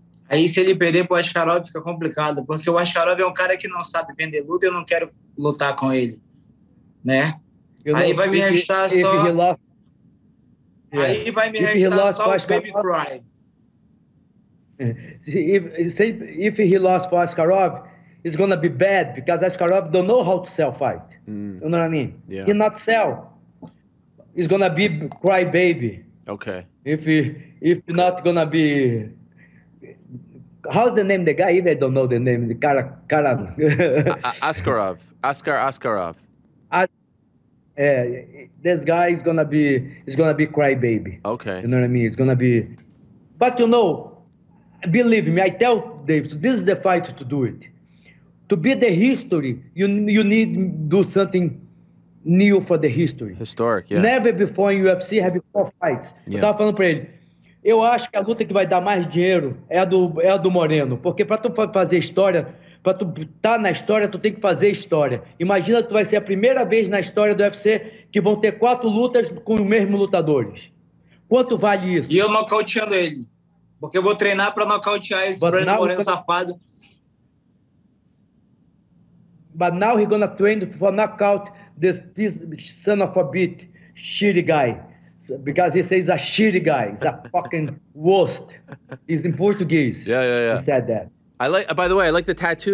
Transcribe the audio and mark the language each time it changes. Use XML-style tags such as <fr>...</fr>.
<pt>Aí se ele perder pro Askarov fica complicado, porque o Askarov é um cara que não sabe vender luta e eu não quero lutar com ele, né?</pt> <en>If he lost for Askarov, it's gonna be bad because Askarov don't know how to sell fight. Mm. You know what I mean? Yeah. He not sell. It's gonna be cry baby. Okay. If not gonna be, how's the name of the guy? Even I don't know the name. The cara. Askarov. Askarov. This guy is gonna be. It's gonna be cry baby. Okay. You know what I mean? It's gonna be. But you know, believe me. I tell Dave, so this is the fight to do it. To be the history, you need to do something new for the history. Historic, yeah. Never before in UFC have you four fights. Yeah.</en> <pt>Eu tava falando pra ele, eu acho que a luta que vai dar mais dinheiro é a do Moreno. Porque pra tu fazer história, pra tu tá na história, tu tem que fazer história. Imagina que tu vai ser a primeira vez na história do UFC que vão ter quatro lutas com os mesmos lutadores. Quanto vale isso? E eu nocauteando ele. Porque eu vou treinar pra nocautear esse Moreno safado.</pt> <en>But now he's gonna train for knockout this piece, son of a bitch, shitty guy. So, because he says he's a shitty guy, he's a fucking worst. He's in Portuguese. Yeah, yeah, yeah. He said that. I like, by the way, I like the tattoo.</en>